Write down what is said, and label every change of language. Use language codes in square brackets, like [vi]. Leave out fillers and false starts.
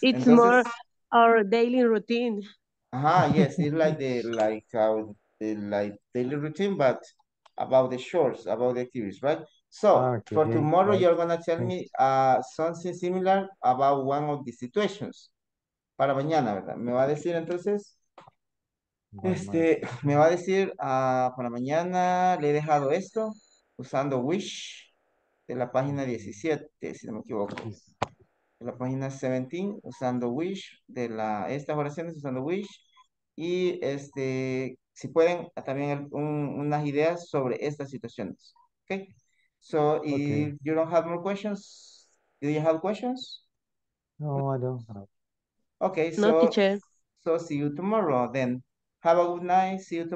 [en] It's entonces, more our daily routine. Yes, it's like the daily routine, but about the shorts, about the activities, right? So tomorrow you're gonna tell me something similar about one of the situations. [es] Para mañana, ¿verdad? Me va a decir entonces. Me va a decir para mañana le he dejado esto usando wish. De la página 17, si no me equivoco. De la página 17, usando wish. De la, estas oraciones, usando wish. Y si pueden, también unas ideas sobre estas situaciones. Ok. [en] So, if you don't have more questions, do you have questions? No, I don't. Ok, no, teacher. So, see you tomorrow then. Have a good night. See you tomorrow.